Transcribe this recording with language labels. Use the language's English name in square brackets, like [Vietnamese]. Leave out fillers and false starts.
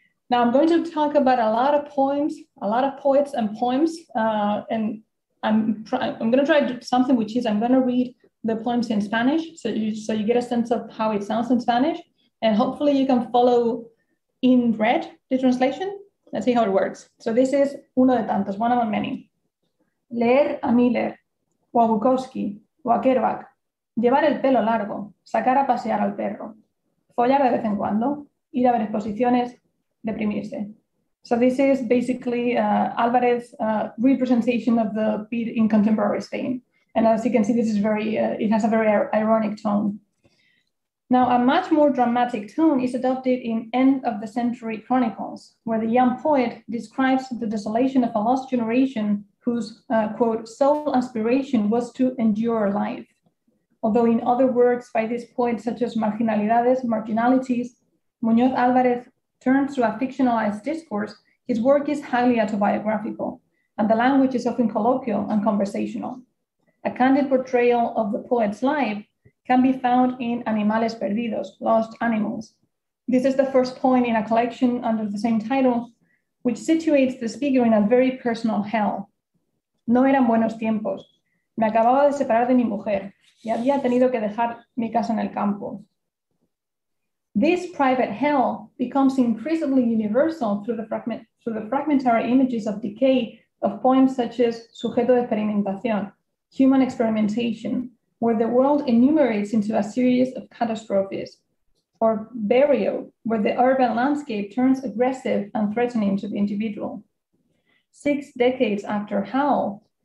[English] Now I'm going to talk about a lot of poets and poems, and I'm going to try something, which is I'm going to read the poems in Spanish, so you get a sense of how it sounds in Spanish, and hopefully you can follow in red the translation. Let's see how it works. So this is Uno de Tantos, One Among Many. [Spanish] Leer a Miller, o a Bukowski, o a Kerouac, llevar el pelo largo, sacar a pasear al perro, follar de vez en cuando, ir a ver exposiciones, deprimirse. [English] So this is basically Álvarez's representation of the beat in contemporary Spain. And as you can see, this is it has a very ironic tone. Now, a much more dramatic tone is adopted in End of the Century Chronicles, where the young poet describes the desolation of a lost generation whose, quote, sole aspiration was to endure life. Although in other works by this poet, such as Marginalidades, Marginalities, Muñoz Álvarez turns to a fictionalized discourse, his work is highly autobiographical, and the language is often colloquial and conversational. A candid portrayal of the poet's life can be found in Animales Perdidos, Lost Animals. This is the first poem in a collection under the same title, which situates the speaker in a very personal hell. [Spanish] No eran buenos tiempos. Me acababa de separar de mi mujer y había tenido que dejar mi casa en el campo. [English] This private hell becomes increasingly universal through the fragmentary images of decay of poems such as Sujeto de Experimentación, Human Experimentation, where the world enumerates into a series of catastrophes, or Barrio, where the urban landscape turns aggressive and threatening to the individual. 6 decades after Howl,